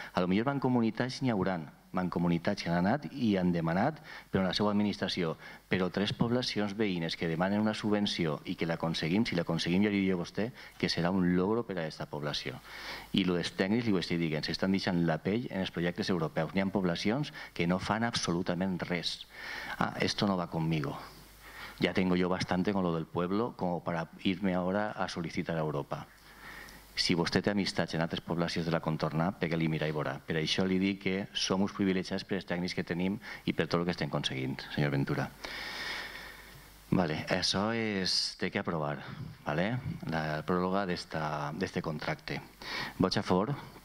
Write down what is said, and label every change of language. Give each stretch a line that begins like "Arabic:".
Catalan: A lo millor mancomunitats n'hi hauran, mancomunitats que han anat i han demanat, però en la seva administració. Però 3 poblacions veïnes que demanen una subvenció i que l'aconseguim, si l'aconseguim, ja li diria a vostè que serà un logro per a aquesta població. I els tècnics, li ho estic dient, s'estan deixant la pell en els projectes europeus. N'hi ha poblacions que no fan absolutament res.
Spanish: Ah, esto no va conmigo. Ja tengo yo bastante con lo del pueblo como para irme ahora a solicitar a Europa.
Catalan: Si vostè té amistats en altres poblacions de la contorna, pegue-li mira i veurà. Per això li dic que som uns privilegiats per els tècnics que tenim i per tot el que estem aconseguint, senyor Ventura. Vale, això és, té que aprovar, vale? La pròrroga d'aquest contracte. Vots a favor?